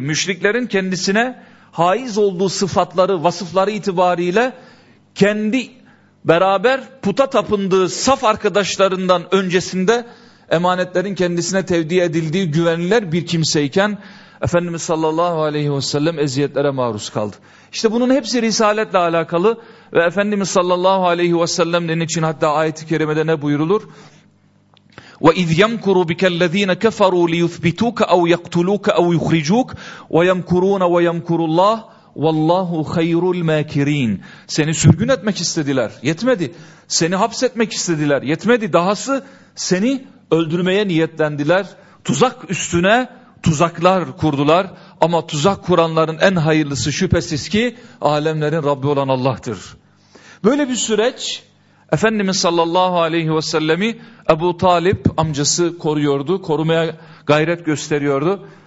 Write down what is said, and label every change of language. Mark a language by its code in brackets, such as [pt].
[tr] Müşriklerin kendisine haiz olduğu sıfatları, vasıfları itibariyle kendi beraber puta tapındığı saf arkadaşlarından öncesinde emanetlerin kendisine tevdi edildiği güvenilir bir kimseyken Efendimiz sallallahu aleyhi ve sellem eziyetlere maruz kaldı. İşte bunun hepsi risaletle alakalı ve Efendimiz sallallahu aleyhi ve sellem'in için hatta ayet-i kerimede ne buyurulur? [ar] وَاِذْ يَمْكُرُوا بِكَ الَّذ۪ينَ كَفَرُوا لِيُثْبِتُوكَ اَوْ يَقْتُلُوكَ اَوْ يُخْرِجُوكَ وَيَمْكُرُونَ وَيَمْكُرُ اللّٰهُ وَاللّٰهُ خَيْرُ الْمَاكِر۪ينَ [tr] Seni sürgün etmek istediler, yetmedi. Seni hapsetmek istediler, yetmedi. Dahası seni öldürmeye niyetlendiler. Tuzak üstüne tuzaklar kurdular. Ama tuzak kuranların en hayırlısı şüphesiz ki alemlerin Rabbi olan Allah'tır. Böyle bir süreç Efendimiz sallallahu aleyhi ve sellemi Ebu Talip amcası koruyordu, korumaya gayret gösteriyordu.